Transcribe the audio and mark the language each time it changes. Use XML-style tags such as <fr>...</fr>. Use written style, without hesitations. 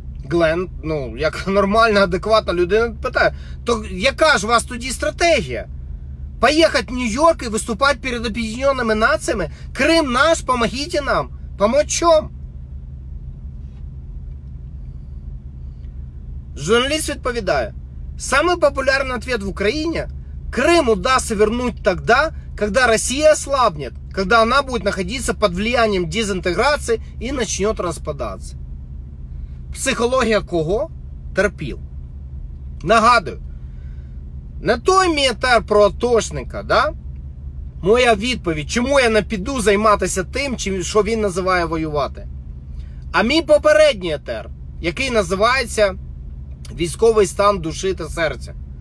<uk>Глен, ну, як нормальна, адекватна людина, питає, то яка ж у вас тоді стратегія? Поїхати в Нью-Йорк і виступати перед об'єднаними націями?</uk> <ru>Крим наш, помогите нам. Помочь чим?</ru> <uk>Журналіст відповідає, найпопулярніший відповідь в Україні –</uk> <ru>Крым удастся вернуть тогда, когда Россия ослабнет, когда она будет находиться под влиянием дезинтеграции и начнет распадаться. Психология кого? Терпил.</ru> <uk>Нагадую, на той метр про Атошника, да, моя відповідь, чому я не піду займатися тим, що він називає воювати. А мій попередній етер, який називається військовий стан душі та серця.</uk>